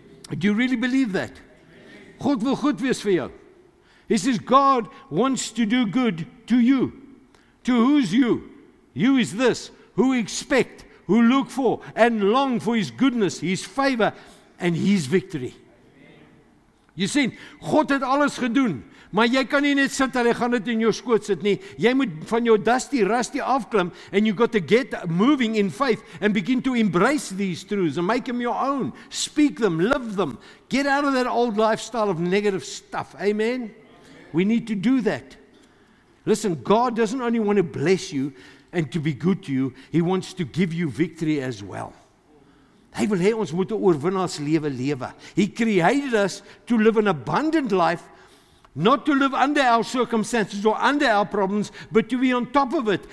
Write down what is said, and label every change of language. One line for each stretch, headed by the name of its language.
English: Do you really believe that?
Afrikaans: God will goed wees vir jou.
English: He says, God wants to do good to you. To who's you? You is this, who expect, who look for, and long for His goodness, His favor, and His victory. You see,
Afrikaans: God het alles gedoen. Maar jy kan nie net sit en hy gaan dit in jou skoot sit nie. Jy moet van jou dusty, rusty afklim
English: and you got to get moving in faith and begin to embrace these truths and make them your own. Speak them, live them. Get out of that old lifestyle of negative stuff. Amen? We need to do that. Listen, God doesn't only want to bless you and to be good to you. He wants to give you victory as well.
Afrikaans: Hy wil hê ons moet 'n oorwinnaars lewe lewe.
English: He created us to live an abundant life. Not to live under our circumstances or under our problems, but to be on top of it.